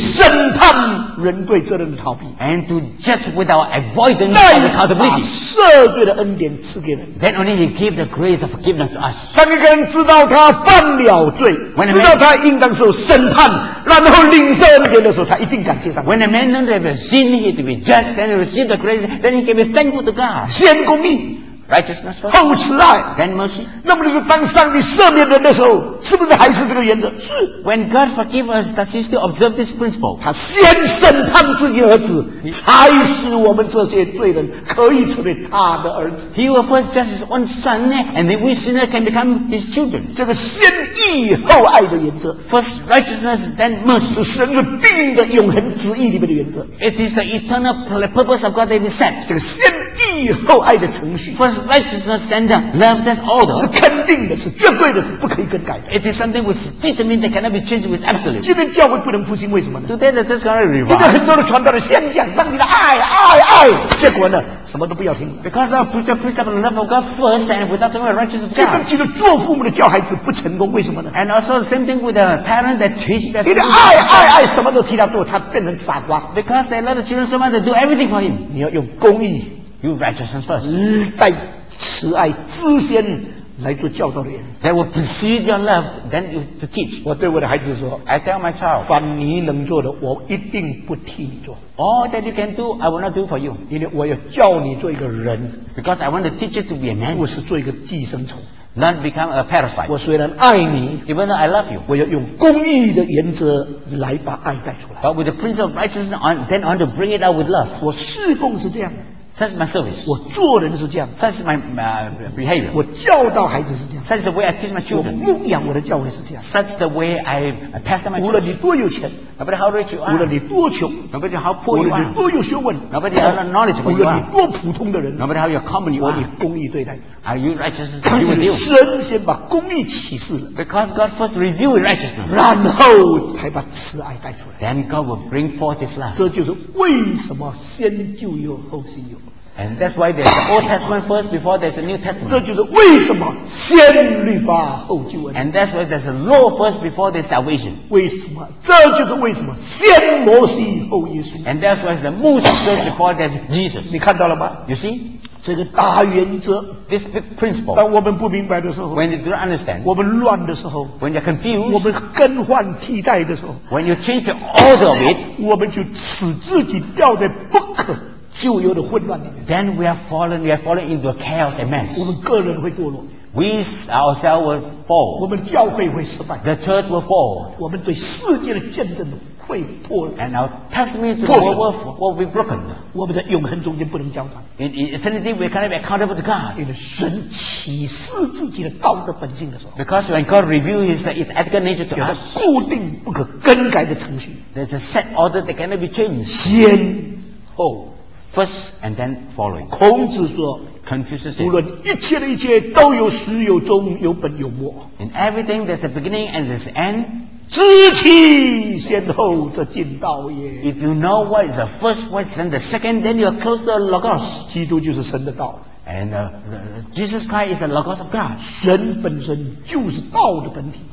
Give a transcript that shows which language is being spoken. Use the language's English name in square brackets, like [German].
[Chinese] 审判人对责任的逃避 [English] ，And to judge without avoidance of accountability， [Chinese] 再把赦罪的恩典赐给人 [English] ，Then only he give the grace of forgiveness to us。 [Chinese] 当一个人知道他犯了罪， [English] man, [Chinese] 知道他应当受审判。然后领受恩典的时候，他一定感谢上帝。 [English] When a man knows that sin he to be just and receive the grace, then he can be thankful to God. [Chinese] 先公义 [English] ，righteousness， [Chinese] 后慈爱 [English] ，then mercy。 [Chinese] 那么就是当上帝赦免人的时候，是不是还是这个原则？是。 [English] When God forgives us, does he still observe this principle? [Chinese] 他先审判自己儿子，才使我们这些罪人可以成为他的儿子。 [English] He will first judge his own son, and then we sinners can become his children. [Chinese] 这个先。义后爱的原则 [English] ，first righteousness then mercy， [Chinese] 是神的定的永恒旨意里面的原则。 [English] It is the eternal purpose of God that is set。 [Chinese] 这个先义后爱的程序 [English] ，first righteousness then love then order， [Chinese] 是肯定的，是绝对的，是不可以更改的。 [English] It is something which determined that cannot be changed with absolute。 [Chinese] 今天教会不能复兴，为什么呢 [English] ？Today the church cannot revive。 [Chinese] 今天很多的传道人先讲上帝的爱，爱，爱，结果呢？什么都不要听 [English] ，because I preach the principle of the love of God first and without the righteousness of God。 [Chinese] 这种基督做父母的教孩子不成功，为什么呢 [English] ？And also the same thing with the parent that teach the children。 [Chinese] 你的爱爱爱，什么都替他做，他变成傻瓜。 [English] Because they love the children so much, they do everything for him。 [Chinese] 你要用公义 [English] ，you righteousness first， [Chinese] 带慈爱之先来做教导的人。 [English] That will precede your love, then you to teach。 [Chinese] 我对我的孩子说 [English] ，I tell my child， [Chinese] 凡你能做的，我一定不替你做。 [English] All that you can do, I will not do for you. [Chinese] 因为我要教你做一个人 [English] ，because I want to teach you to be a man. [Chinese] 不是做一个寄生虫 [English] ，not become a parasite. [Chinese] 我虽然爱你 [English] ，even though I love you, [Chinese] 我要用公义的原则来把爱带出来。 [English] But with the principle of righteousness, then I want to bring it out with love. [Chinese] 我侍奉是这样。 [English] Such is my service. [Chinese] 我做人是这样。 [English] Such is my behavior. [Chinese] 我教导孩子是这样。 [English] Such is the way I teach my children. [Chinese] 我牧养我的教会是这样。 [English] Such is the way I pass my. [Chinese] 无论你多有钱 [English] ，No matter how rich you are. [Chinese] 无论你多穷 [English] ，No matter how poor you are. [Chinese] 无论你多有学问 [English] ，No matter how knowledgeable you are. [Chinese] 无论你多普通的人 [English] ，No matter how you're common you are. [Chinese] 我以公义对待。 [English] Are you righteous? Are you with you? [Chinese] 神先把公义启示了。 [English] Because God first revealed righteousness. [Chinese] 然后才把慈爱带出来。 [English] Then God will bring forth His love. [Chinese] 这就是为什么先救又后新又。 [English] And that's why there's the Old Testament first before there's the New Testament. [Chinese] 这就是为什么先律法后救恩。 [English] And that's why there's the law first before there's salvation. [Chinese] 为什么？这就是为什么先摩西后耶稣。 [English] And that's why there's the Moses first before there's Jesus. [Chinese] 你看到了吗 [English] ？You see? [Chinese] 这个大原则。 [English] This big principle. [Chinese] 当我们不明白的时候。 [English] When you don't understand. [Chinese] 我们乱的时候。 [English] When you're confused. [Chinese] 我们更换替代的时候。 [English] When you change the order of it. [Chinese] 我们就使自己掉在不可。旧有的混乱里面 [English] Then we are fallen into a chaos and mess. [Chinese] 我们个人会堕落 [English] We ourselves will fall. [Chinese] 我们教会会失败 [English] The church will fall. [Chinese] 我们对世界的见证会破 [English] And our testimony to the world will be broken. [Chinese] 我们在永恒中间不能交谈 [English] In eternity we cannot be accountable to God. [Chinese] 因为神启示自己的道德本性的时候 [English] Because when God reveals His ethical nature to us, [Chinese] 有个固定不可更改的程序 [English] There's a set order that cannot be changed. [Chinese] 先后 [English] First and then following. [Chinese] 孔子说 [English] Confucius said, [Chinese] 无论一切的一切都有始有终有本有末 [English] In everything there's a beginning and there's an end. [Chinese] 知其先后则近道也 [English] If you know what is the first, what is then the second, then you're close to the Logos. [Chinese] 基督就是神的道 [English] And Jesus Christ is the Logos of God. [Chinese] 神本身就是道的本体